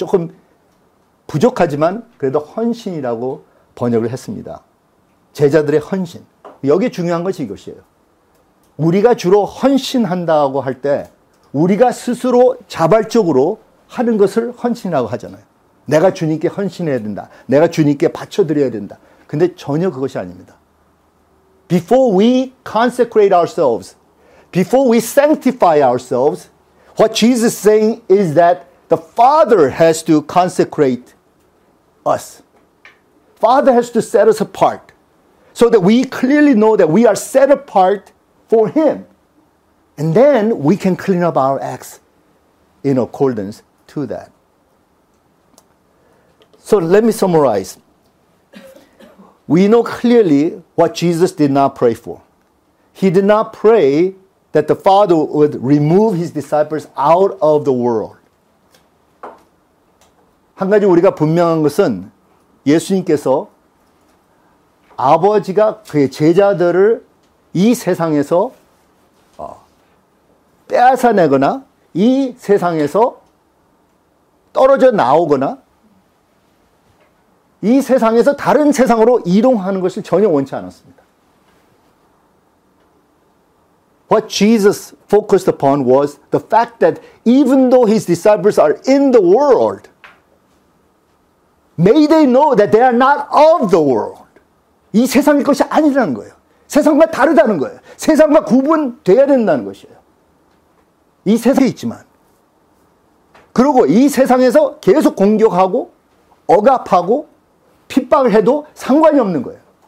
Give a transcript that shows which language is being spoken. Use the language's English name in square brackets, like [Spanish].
[Korean] 조금 부족하지만 그래도 헌신이라고 번역을 했습니다. 제자들의 헌신. 여기 중요한 것이 이것이에요. 우리가 주로 헌신한다고 할 때 우리가 스스로 자발적으로 하는 것을 헌신이라고 하잖아요. 내가 주님께 헌신해야 된다. 내가 주님께 바쳐드려야 된다. 근데 전혀 그것이 아닙니다. [English] Before we consecrate ourselves, before we sanctify ourselves, what Jesus is saying is that the Father has to consecrate us. Father has to set us apart so that we clearly know that we are set apart for Him. And then we can clean up our acts in accordance to that. So let me summarize. We know clearly what Jesus did not pray for. He did not pray that the Father would remove His disciples out of the world. [Korean] 한 가지 우리가 분명한 것은 예수님께서 아버지가 그의 제자들을 이 세상에서 빼앗아내거나 이 세상에서 떨어져 나오거나 이 세상에서 다른 세상으로 이동하는 것을 전혀 원치 않았습니다. [English] What Jesus focused upon was the fact that even though his disciples are in the world, may they know that they are not of the world. [Korean] 이 세상의 것이 아니라는 거예요. 세상과 다르다는 거예요. 세상과 구분되어야 된다는 것이에요. 이 세상에 있지만. 그리고 이 세상에서 계속 공격하고 억압하고 핍박을 해도 상관이 없는 거예요.